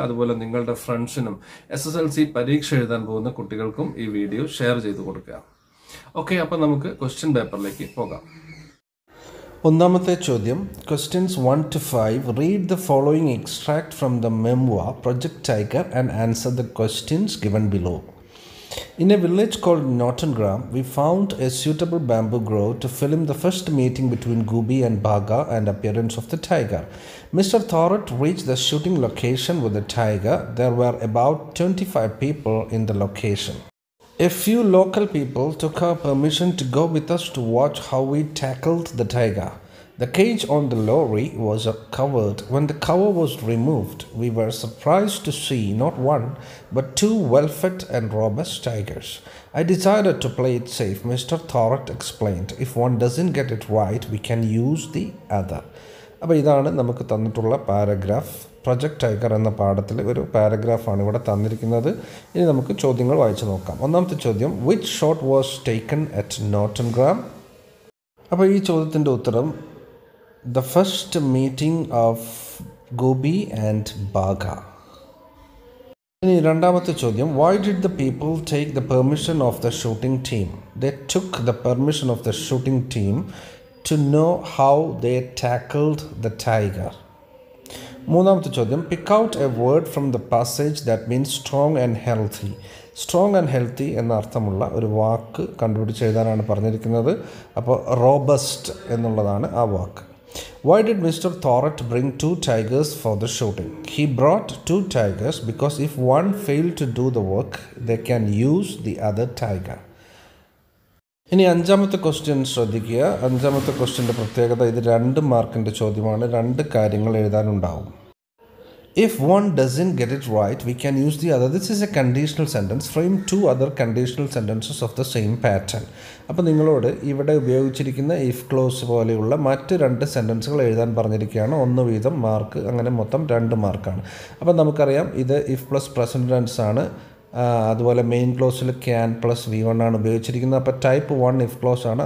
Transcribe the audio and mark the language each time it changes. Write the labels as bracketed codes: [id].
[ml] അതുപോലെ നിങ്ങളുടെ ഫ്രണ്ട്സിനും SSLC പരീക്ഷ എഴുതാൻ പോകുന്ന കുട്ടികൾക്കും ഈ വീഡിയോ ഷെയർ ചെയ്ത് കൊടുക്കുക. ഓക്കെ, അപ്പോൾ നമുക്ക് ക്വസ്റ്റ്യൻ പേപ്പറിലേക്ക് പോകാം. ഒന്നാമത്തെ ചോദ്യം, [en] Questions 1-5, read the following extract from the memoir Project Tiger and answer the questions given below. In a village called Nottingham, we found a suitable bamboo grove to film the first meeting between Gubbi and Baga and appearance of the tiger. Mr. Thorat reached the shooting location with the tiger. There were about 25 people in the location. A few local people took our permission to go with us to watch how we tackled the tiger. The cage on the lorry was covered. When the cover was removed, we were surprised to see not one, but two well-fed and robust tigers. I decided to play it safe, Mr. Thorat explained. If one doesn't get it right, we can use the other. [ml] അപ്പോൾ ഇതാണ് നമുക്ക് തന്നിട്ടുള്ള paragraph. Project tiger എന്ന പാഠത്തിലെ ഒരു പാരഗ്രാഫാണ് ഇവിടെ തന്നിരിക്കുന്നത്. ഇനി നമുക്ക് ചോദ്യങ്ങൾ വായിച്ചു നോക്കാം. ഒന്നാമത്തെ ചോദ്യം, [en] Which shot was taken at Nottingham? [ml] അപ്പോൾ ഈ ചോദ്യത്തിൻ്റെ ഉത്തരം, [en] The first meeting of Gubbi and Baga. [ml] ഇനി രണ്ടാമത്തെ ചോദ്യം, [en] Why did the people take the permission of the shooting team? They took the permission of the shooting team to know how they tackled the tiger. [ml] മൂന്നാമത്തെ ചോദ്യം, [en] Pick out a word from the passage that means strong and healthy. Strong and healthy [ml] എന്ന അർത്ഥമുള്ള ഒരു വാക്ക് കണ്ടുപിടിച്ച് എഴുതാനാണ് പറഞ്ഞിരിക്കുന്നത്. അപ്പോൾ robust എന്നുള്ളതാണ് ആ വാക്ക്. [en] Why did Mr. Thorat bring two tigers for the shooting? He brought two tigers because if one failed to do the work, they can use the other tiger. [ml] ഇനി അഞ്ചാമത്തെ ക്വസ്റ്റ്യൻ ശ്രദ്ധിക്കുക. അഞ്ചാമത്തെ ക്വസ്റ്റ്യൻ്റെ പ്രത്യേകത, ഇത് രണ്ട് മാർക്കിൻ്റെ ചോദ്യമാണ്. രണ്ട് കാര്യങ്ങൾ എഴുതാനുണ്ടാവും. [en] If one doesn't get it right, we can use the other. This is a conditional sentence. Frame two other conditional sentences of the same pattern. [ml] അപ്പോൾ നിങ്ങളോട് ഇവിടെ ഉപയോഗിച്ചിരിക്കുന്ന ഇഫ് ക്ലോസ് പോലെയുള്ള മറ്റ് രണ്ട് സെൻറ്റൻസുകൾ എഴുതാൻ പറഞ്ഞിരിക്കുകയാണ്. ഒന്ന് വീതം മാർക്ക്, അങ്ങനെ മൊത്തം രണ്ട് മാർക്കാണ്. അപ്പോൾ നമുക്കറിയാം ഇത് ഇഫ് പ്ലസ് പ്രസൻറ്റ് ടെൻസ് ആണ്. അതുപോലെ മെയിൻ ക്ലോസിൽ ക്യാൻ പ്ലസ് വി ആണ് ഉപയോഗിച്ചിരിക്കുന്നത്. അപ്പോൾ ടൈപ്പ് വൺ ഇഫ് ക്ലോസ് ആണ്.